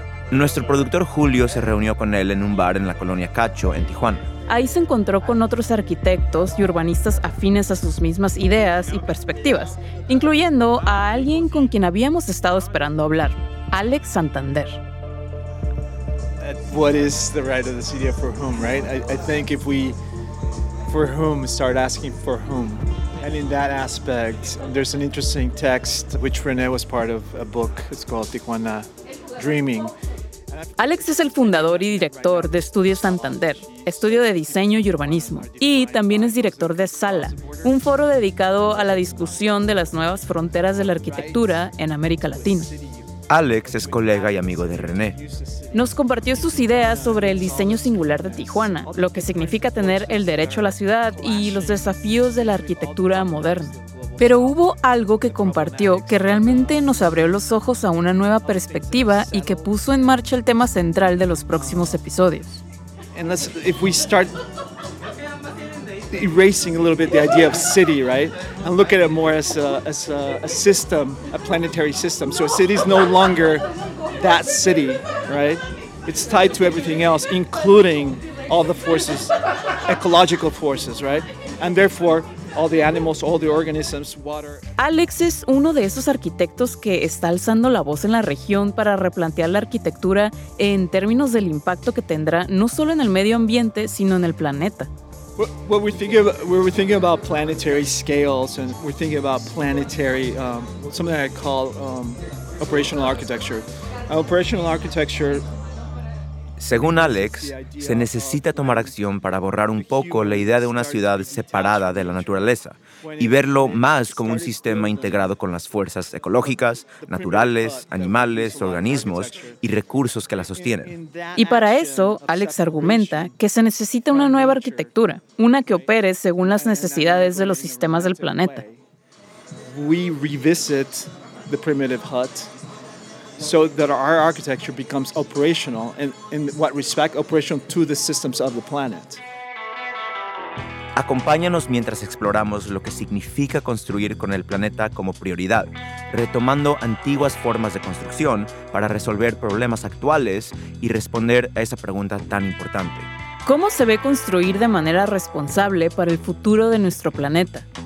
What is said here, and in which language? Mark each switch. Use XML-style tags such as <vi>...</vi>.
<es>Nuestro productor Julio se reunió con él en un bar en la colonia Cacho, en Tijuana. Ahí se encontró con otros arquitectos y urbanistas afines a sus mismas ideas y perspectivas, incluyendo a alguien con quien habíamos estado esperando hablar, Alex Santander.</es> <en>What is the right of the city for whom, right? I think if we for whom start asking for whom. And in that aspect, there's an interesting text which René was part of a book. It's called Tijuana Dreaming.</en> <es>Alex es el fundador y director de Estudio Santander, estudio de diseño y urbanismo, y también es director de Sala, un foro dedicado a la discusión de las nuevas fronteras de la arquitectura en América Latina. Alex es colega y amigo de René. Nos compartió sus ideas sobre el diseño singular de Tijuana, lo que significa tener el derecho a la ciudad y los desafíos de la arquitectura moderna. Pero hubo algo que compartió que realmente nos abrió los ojos a una nueva perspectiva y que puso en marcha el tema central de los próximos episodios.</es> <en>And let's, if we start erasing a little bit the idea of city, right? And look at it more as a system, a planetary system. So a city is no longer that city, right? It's tied to everything else, including all the forces, ecological forces, right? And therefore, all the animals, all the organisms, water.</en> <es>Alex es uno de esos arquitectos que está alzando la voz en la región para replantear la arquitectura en términos del impacto que tendrá no solo en el medio ambiente, sino en el planeta.</es> <en>We're thinking about planetary scales, and we're thinking about planetary, something I call operational architecture. Operational architecture.</en> <es>Según Alex, se necesita tomar acción para borrar un poco la idea de una ciudad separada de la naturaleza y verlo más como un sistema integrado con las fuerzas ecológicas, naturales, animales, organismos y recursos que la sostienen. Y para eso, Alex argumenta que se necesita una nueva arquitectura, una que opere según las necesidades de los sistemas del planeta.</es> <en>We revisit the primitive hut. So that our architecture becomes operational, and in what respect, operational to the systems of the planet.</en> <es>Acompáñanos mientras exploramos lo que significa construir con el planeta como prioridad, retomando antiguas formas de construcción para resolver problemas actuales y responder a esa pregunta tan importante. ¿Cómo se ve construir de manera responsable para el futuro de nuestro planeta?</es>